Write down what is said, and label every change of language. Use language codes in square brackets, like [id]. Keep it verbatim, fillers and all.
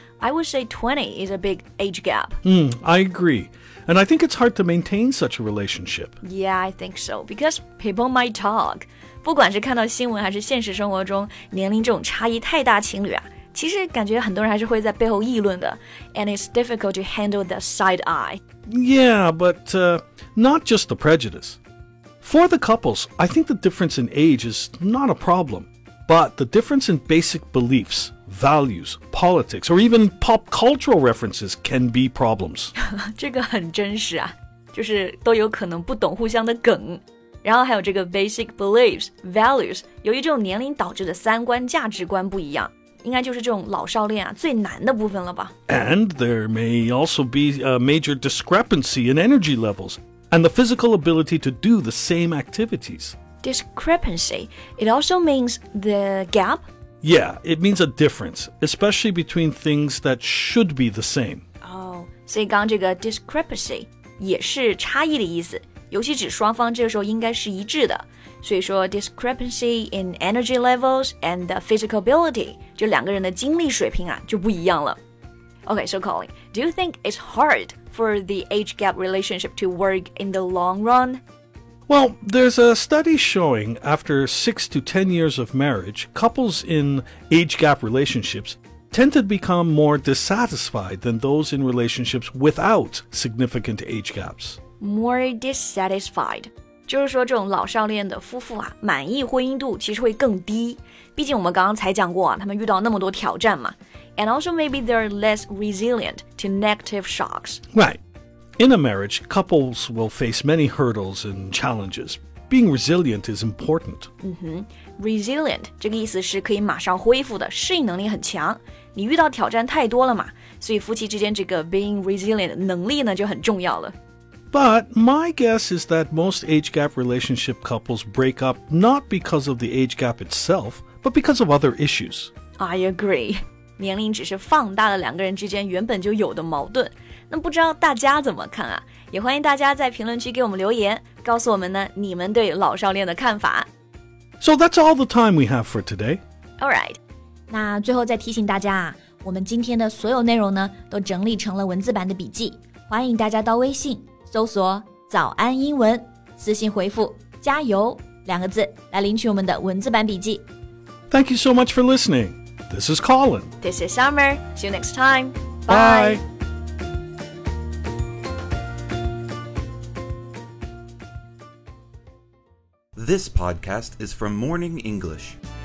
[en] I would say twenty is a big age gap. Mm, I agree. And I think it's hard to maintain such a relationship. Yeah, I think so, because people might talk. [zh] 不管是看到新闻还是现实生活中，年龄这种差异太大，情侣啊其实感觉很多人还是会在背后议论的 [en] and it's difficult to handle the side eye. Yeah, but uh, not just the prejudice. For the couples, I think the difference in age is not a problem, but the difference in basic beliefs, values, politics, or even pop cultural references can be problems. [zh] 这个很真实啊，就是都有可能不懂互相的梗。然后还有这个 basic beliefs, values, 由于这种年龄导致的三观价值观不一样。应该就是这种老少恋啊，最难的部分了吧。 [en] And there may also be a major discrepancy in energy levels and the physical ability to do the same activities. Discrepancy, it also means the gap? Yeah, it means a difference, especially between things that should be the same. [zh] Oh, 所以刚刚这个 discrepancy 也是差异的意思，尤其指双方这个时候应该是一致的。所以说 [en] discrepancy in energy levels and the physical ability [zh] 就两个人的精力水平啊就不一样了。 [en] Okay, so Colin, do you think it's hard for the age gap relationship to work in the long run? Well, there's a study showing after six to ten years of marriage, couples in age gap relationships tend to become more dissatisfied than those in relationships without significant age gaps. More dissatisfied. [zh] 就是说这种老少恋的夫妇啊满意婚姻度其实会更低毕竟我们刚刚才讲过啊他们遇到那么多挑战嘛 [en] And also maybe they're less resilient to negative shocks Right. In a marriage, couples will face many hurdles and challenges. Being resilient is important. [zh] 嗯哼 Resilient 这个意思是可以马上恢复的适应能力很强你遇到挑战太多了嘛所以夫妻之间这个 being resilient 的能力呢就很重要了 [en] But my guess is that most age gap relationship couples break up not because of the age gap itself, but because of other issues. I agree. [zh] 年龄只是放大了两个人之间原本就有的矛盾。那不知道大家怎么看啊？也欢迎大家在评论区给我们留言，告诉我们呢你们对老少恋的看法。 [en] So that's all the time we have for today. All right. [zh] 那最后再提醒大家啊，我们今天的所有内容呢，都整理成了文字版的笔记，欢迎大家到微信。搜索早安英文私信回复加油两个字来领取我们的文字版笔记 [en] Thank you so much for listening. This is Colin. This is Summer. See you next time. Bye. Bye. This podcast is from Morning English.